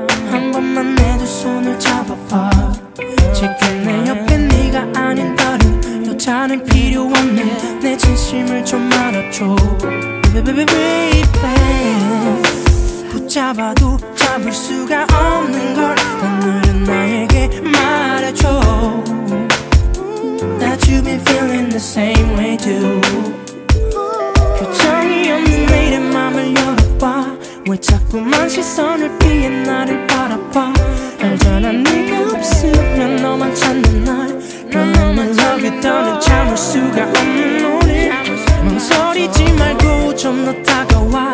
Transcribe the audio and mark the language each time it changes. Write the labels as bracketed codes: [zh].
[ko] 한 번만 내 두 손을 잡아봐. 지금 내 옆에 네가 아닌 다른 여자는 필요 없네. 내 진심을 좀 알아줘. [en] Baby, baby, baby. [ko] 잡아도 잡을 수가 없는 걸 오늘은 나에게 말해줘. [en] That you've been feeling the same way too. [ko] 표정이 없는 내일의 맘을 열어봐. 왜 자꾸만 시선을 피해 나를 바라봐. 알잖아 네가 없으면 너만 찾는 날. [en] Girl, I'm in love with you. [ko] 너는 참을 수가 없는 오늘. 망설이지 말고 좀 더 다가와.